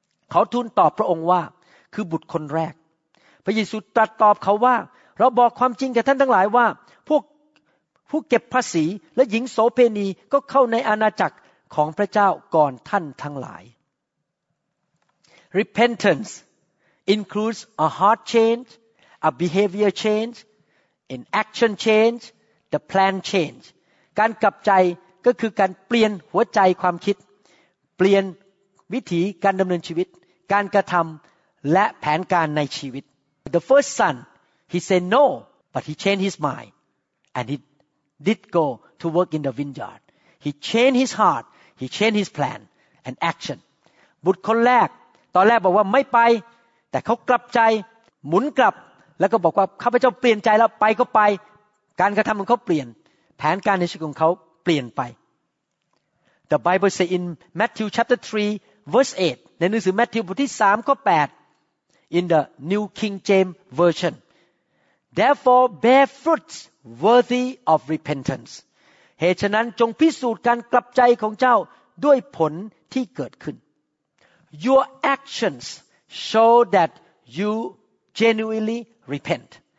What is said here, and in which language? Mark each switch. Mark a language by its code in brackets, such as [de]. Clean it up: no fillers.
[th] เขาทูลตอบพระองค์ว่าคือบุตรคนแรกพระเยซูตรัสตอบเขาว่าเราบอกความจริงแก่ท่านทั้งหลาย ว่าผู้เก็บภาษีและหญิงโสเภณีก็เข้าในอาณาจักรของพระเจ้าก่อนท่านทั้งหลาย [en] Repentance includes a heart change, a behavior change, an action change, the plan change. [th] การกลับใจก็คือการเปลี่ยนหัวใจความคิดเปลี่ยนวิธีการดำเนินชีวิตการกระทำและแผนการในชีวิต [en] The first son, he said no, but he changed his mind. And he did go to work in the vineyard. He changed his heartHe changed his plan and action. [th] บุตรคนแรกตอนแรกบอกว่าไม่ไปแต่เขากลับใจหมุนกลับแล้วก็บอกว่าข้าพเจ้าเปลี่ยนใจแล้วไปก็ไปการกระทำของเขาเปลี่ยนแผนการในชีวิตของเขาเปลี่ยนไป [en] The Bible says in Matthew chapter 3 verse 8 [th] ในหนังสือมัทธิวบทที่3ข้อ8 [en] in the New King James Version Therefore bear fruits worthy of repentance [th] เหตุฉะนั้นจงพิสูจน์การกลับใจของเจ้าด้วยผลที่เกิดขึ้น [en] Your actions show that you genuinely repent.